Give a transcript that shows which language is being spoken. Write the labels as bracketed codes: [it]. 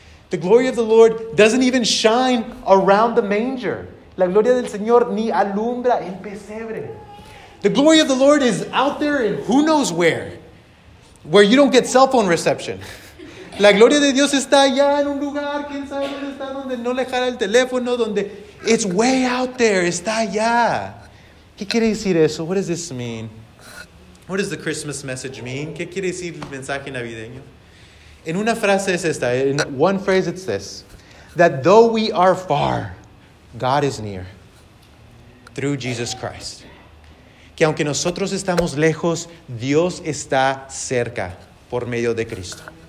[en] The glory of the Lord doesn't even shine around the manger. [es] La gloria del Señor ni alumbra el pesebre. [en] The glory of the Lord is out there in who knows where you don't get cell phone reception. [es] La gloria de Dios está allá en un lugar, quién sabe dónde está, donde no le jala el teléfono, donde [en] it's way out there, [es] está allá. ¿Qué quiere decir eso? [en] What does this mean? What does the Christmas message mean? [es] ¿Qué quiere decir el mensaje navideño? En una frase es esta, [en] in one phrase it's this, that though we are far, God is near, through Jesus Christ. [es] Que aunque nosotros estamos lejos, Dios está cerca por medio de Cristo.